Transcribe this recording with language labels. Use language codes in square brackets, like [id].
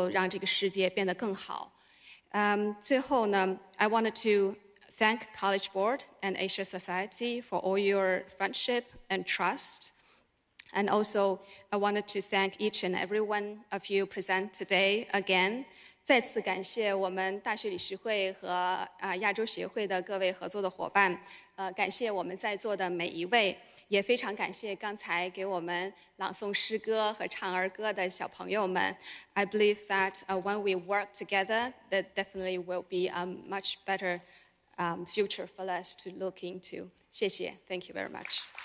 [zh] 小学这个沉浸式的小学，我也见到了学生的家长，我也感觉到他们现在也开始有这样的这种热情，就像中国的家长想让他们的孩子学习英文一样，现在希望他们的孩子能够更多的学习到中文。所以我想呢，在未来的这些岁月当中，我们可以共同努力来一起学习，一起成长，一起能够让这个世界变得更好。最后呢, [en] I wanted to thank College Board and Asia Society for all your friendship and trust. And also, I wanted to thank each and every one of you present today again. [zh] 再次感谢我们大学理事会和亚洲协会的各位合作的伙伴，感谢我们在座的每一位，也非常感谢刚才给我们朗诵诗歌和唱儿歌的小朋友们。 [en] I believe that when we work together, that definitely will be a much better future for us to look into. [zh] 谢谢, [en] thank you very much.